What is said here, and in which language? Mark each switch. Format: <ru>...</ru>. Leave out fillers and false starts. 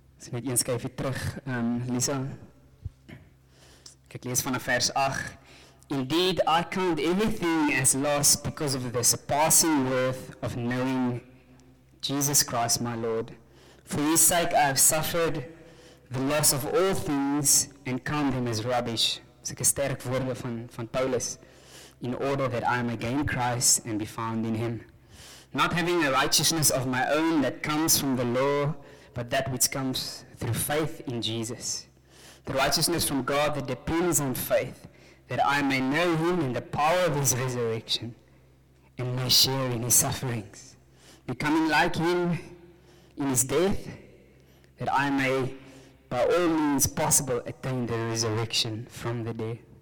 <af>Met een skyfie terug, Lisa. Ek lees van vers 8.</af> <en>Indeed, I count everything as loss because of the surpassing worth of knowing Jesus Christ my Lord. For his sake I have suffered the loss of all things and count them as rubbish.</en> <af>Dis ek 'n sterk woorde van Paulus.</af> <en>In order that I may gain Christ and be found in him. Not having a righteousness of my own that comes from the law, but that which comes through faith in Jesus, the righteousness from God that depends on faith, that I may know him and the power of his resurrection, and may share in his sufferings, becoming like him in his death, that I may by all means possible attain the resurrection from the dead.</en>